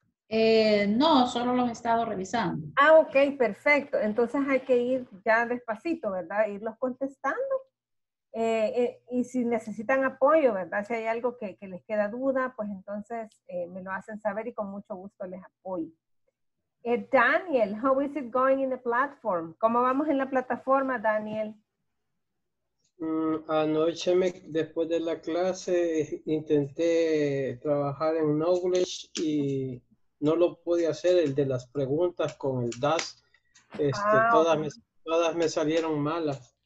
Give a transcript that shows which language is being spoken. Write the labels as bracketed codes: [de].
[es] No, solo los he estado revisando. Ah, ok, perfecto. Entonces hay que ir ya despacito, ¿verdad? Irlos contestando. Y si necesitan apoyo, ¿verdad? Si hay algo que les queda duda, pues entonces me lo hacen saber y con mucho gusto les apoyo. [en] Daniel, how is it going in the platform? [es] ¿Cómo vamos en la plataforma, Daniel? Anoche, después de la clase, intenté trabajar en knowledge y no lo pude hacer, el de las preguntas con el DAS. Todas me salieron malas.